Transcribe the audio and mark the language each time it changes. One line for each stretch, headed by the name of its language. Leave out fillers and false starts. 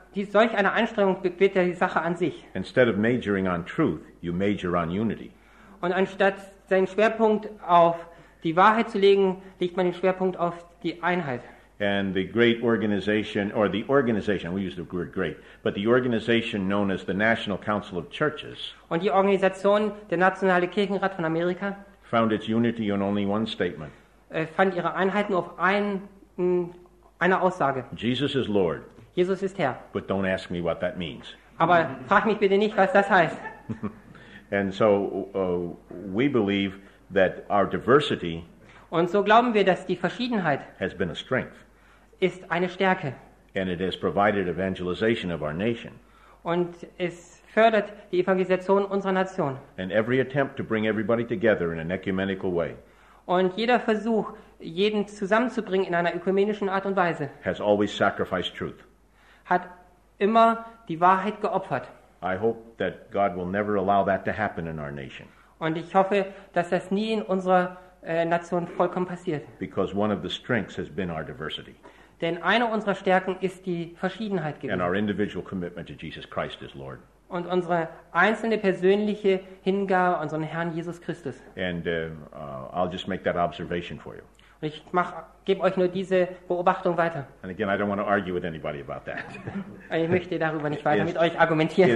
German: Solch eine Anstrengung wird ja die Sache an sich.
English: Instead of majoring on truth, you major on unity.
German: Und anstatt seinen Schwerpunkt auf die Wahrheit zu legen, legt man den Schwerpunkt auf die Einheit.
English: And the great organization, or the organization, we use the word great, but the organization known as the National Council of Churches.
German: Und die Organisation, der Nationale Kirchenrat von Amerika.
English: Found its unity on only one statement.
German: Fand ihre Einheiten auf einer Aussage.
English: Jesus is Lord.
German: Jesus ist Herr.
English: But don't ask me what that means.
German: Aber frag mich bitte nicht, was das heißt.
English: And so we believe that our diversity.
German: Und so glauben wir, dass die Verschiedenheit
English: has been a strength.
German: Ist eine Stärke.
English: And it has provided evangelization of our nation.
German: Und es fördert die Evangelisation unserer Nation.
English: And every attempt to bring everybody together in an ecumenical way.
German: Und jeder Versuch, jeden zusammenzubringen in einer ökumenischen Art und Weise,
English: has always sacrificed truth.
German: Hat immer die Wahrheit geopfert.
English: I hope that God will never allow that to happen in our nation.
German: Und ich hoffe, dass das nie in unserer Nation vollkommen passiert.
English: Because one of the strengths has been our diversity.
German: Denn eine unserer Stärken ist die Verschiedenheit gewesen.
English: And our individual commitment to Jesus Christ as Lord.
German: Und unsere einzelne persönliche Hingabe an unseren Herrn Jesus Christus.
English: And I'll just make that observation for you.
German: Und ich gebe euch nur diese Beobachtung weiter.
English: And again, I don't want to argue with anybody about that.
German: Ich möchte darüber nicht weiter mit euch argumentieren.